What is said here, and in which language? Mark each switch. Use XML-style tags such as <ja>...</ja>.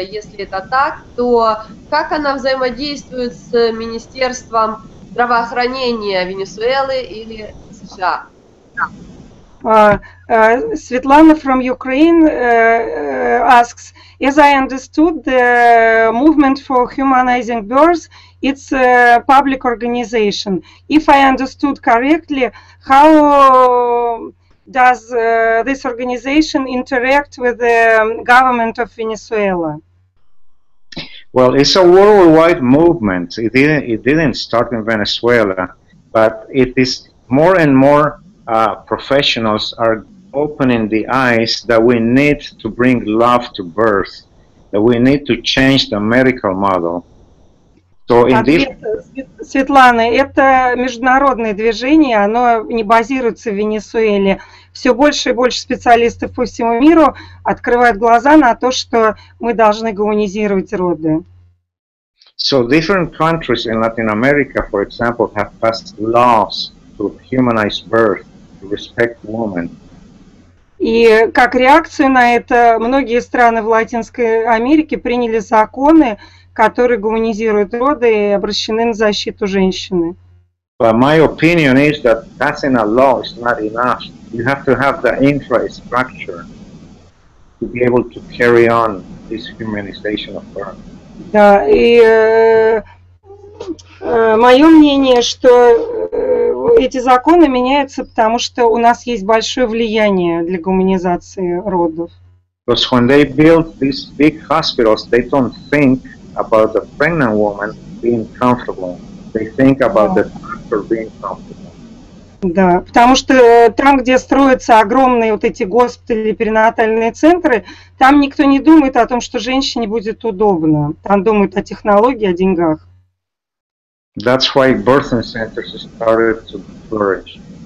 <ru>Если это так, то как она взаимодействует с Министерством здравоохранения Венесуэлы или США?</ru> <en>Svetlana from Ukraine asks, as I understood, the movement for humanizing birth, it's a public organization. If I understood correctly, how does this organization interact with the government of Venezuela? Well, it's a worldwide movement. It didn't start in Venezuela, but it is more and more professionals are opening the eyes that we need to bring love to birth, that we need to change the medical model. So in this...</en> <ru>Светлана, это международное движение, оно не базируется в Венесуэле. Все больше и больше специалистов по всему миру открывают глаза на то, что мы должны гуманизировать роды.</ru> <en>So different countries in Latin America, for example, have passed laws to humanize birth, to respect women.</en> <ru>И как реакцию на это, многие страны в Латинской Америке приняли законы, которые гуманизируют роды и обращены на защиту женщины.</ru> <en>But my opinion is that passing a law is not enough. You have to have the infrastructure to be able to carry on this humanization of birth.</en> <ru>Да, и мое мнение, что эти законы меняются, потому что у нас есть большое влияние для гуманизации родов.</ru> <en>Because when they build these big hospitals, they don't think about the pregnant woman being comfortable. They think about the doctor being comfortable.</en> <ru>Да, потому что там, где строятся огромные вот эти госпитали, перинатальные центры, там никто не думает о том, что женщине будет удобно. Там думают о технологии, о деньгах.</ru> <en>That's why birthing centers started to flourish.</en>